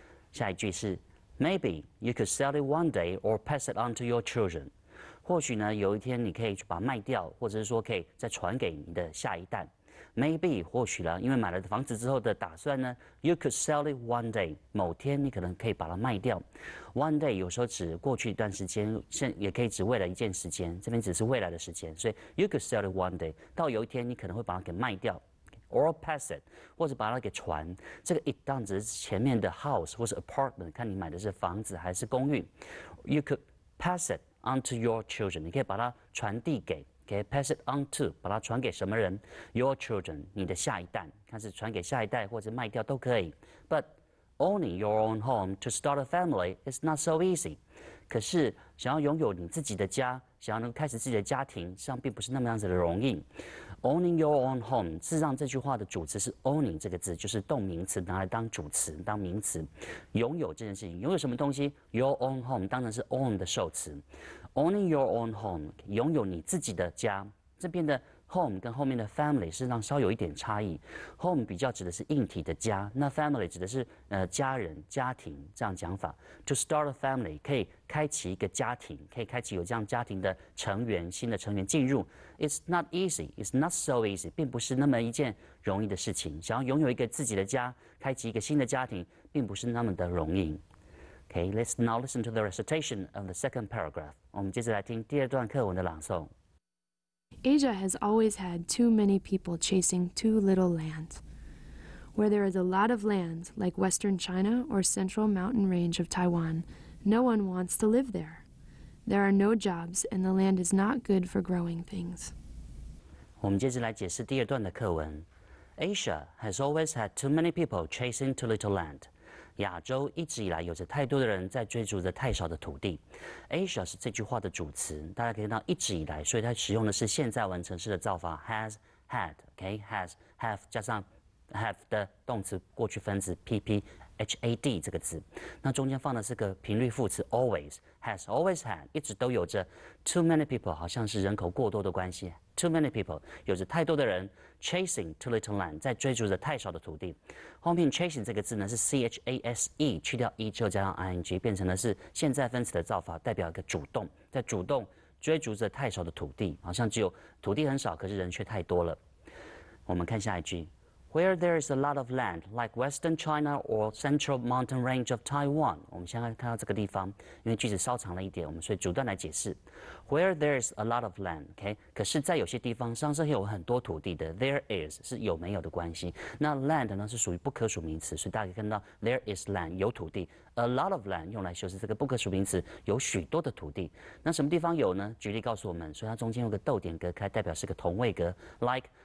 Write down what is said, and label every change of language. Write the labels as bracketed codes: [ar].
[zh] 下一句是 [en] Maybe you could sell it one day or pass it on to your children。 [zh] 或许呢，有一天你可以把它卖掉，或者是说可以再传给你的下一代。 Maybe 或许了，因为买了房子之后的打算呢 ， [en] you could sell it one day， [zh] 某天你可能可以把它卖掉。 [en] One day [zh] 有时候指过去一段时间，也可以指未来一件时间，这边只是未来的时间，所以 [en] you could sell it one day， [zh] 到有一天你可能会把它给卖掉 ， [en] or pass it， [zh] 或者把它给传。这个 it 当指前面的 house 或是 apartment， 看你买的是房子还是公寓。 [en] You could pass it onto your children， [zh] 你可以把它传递给。 Okay, [en] pass it on to， [zh] 把它传给什么人 ？ [en] Your children， [zh] 你的下一代，看是传给下一代或者卖掉都可以。 [en] But owning your own home to start a family is not so easy。 [zh] 可是想要拥有你自己的家，想要能开始自己的家庭，实际上并不是那么样子的容易。 [en] Owning your own home， [zh] 事实上这句话的主词是 owning 这个字，就是动名词拿来当主词，当名词，拥有这件事情，拥有什么东西 ？ [en] Your own home [zh] 当然是 own 的受词 ， [en] owning your own home， [zh] 拥有你自己的家。这边的 home 跟后面的 family 事实上稍有一点差异 ，home 比较指的是硬体的家，那 family 指的是家人、家庭这样讲法。 [en] To start a family [zh] 可以开启一个家庭，可以开启有这样家庭的成员，新的成员进入。 [en] It's not easy. It's not so easy. [zh] 并不是那么一件容易的事情。想要拥有一个自己的家，开启一个新的家庭，并不是那么的容易。 [en] Okay, let's now listen to the recitation of the second paragraph. [zh] 我们接着来听第二段课文的朗诵。 [en] Asia has always had too many people chasing too little land. Where there is a lot of land, like Western China or Central Mountain Range of Taiwan, no one wants to live there. There are no jobs, and the land is not good for growing things. [zh] 我们接着来解释第二段的课文。 [en] Asia has always had too many people chasing too little land. [zh] 亚洲一直以来有着太多的人在追逐着太少的土地。 Asia 是这句话的主词，大家可以看到一直以来，所以它使用的是现在完成式的造法 [en] has had. [zh] Okay, [en] has have [zh] 加上 have 的动词过去分词 PP. had 这个字，那中间放的是个频率副词 always [en] has always had [zh] 一直都有着 [en] too many people [zh] 好像是人口过多的关系 too many people 有着太多的人 [en] chasing too little land [zh] 在追逐着太少的土地，后面 chasing 这个字呢是 chase 去掉 e 之后加上 ing 变成的是现在分词的造法，代表一个主动，在主动追逐着太少的土地，好像只有土地很少，可是人却太多了。我们看下一句。 [en] Where there is a lot of land, like Western China or Central Mountain Range of Taiwan. [zh] 我们现在看到这个地方，因为句子稍长了一点，我们所以逐段来解释。 [en] Where there is a lot of land, OK? [zh] 可是在有些地方上是有很多土地的。 There is 是有没有的关系。那 land 呢是属于不可数名词，所以大家可以看到 [en] there is land [zh] 有土地。 [en] A lot of land [zh] 用来修饰这个不可数名词，有许多的土地。那什么地方有呢？举例告诉我们，所以它中间有个逗点隔开，代表是个同位格 ，like。